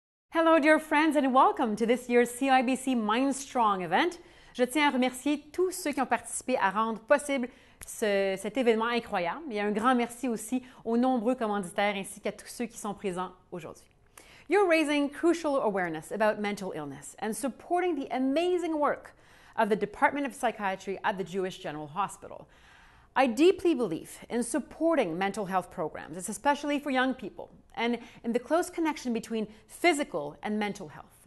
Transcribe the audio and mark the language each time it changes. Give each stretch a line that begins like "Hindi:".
English: Hello, dear friends, and welcome to this year's CIBC MINDSTRONG event.
French: Je tiens à remercier tous ceux qui ont participé à rendre possible cet événement incroyable. Et un grand merci aussi aux nombreux commanditaires ainsi qu'à tous ceux qui sont présents aujourd'hui.
English: You're raising crucial awareness about mental illness and supporting the amazing work of the Department of Psychiatry at the Jewish General Hospital. I deeply believe in supporting mental health programs, especially for young people, and in the close connection between physical and mental health.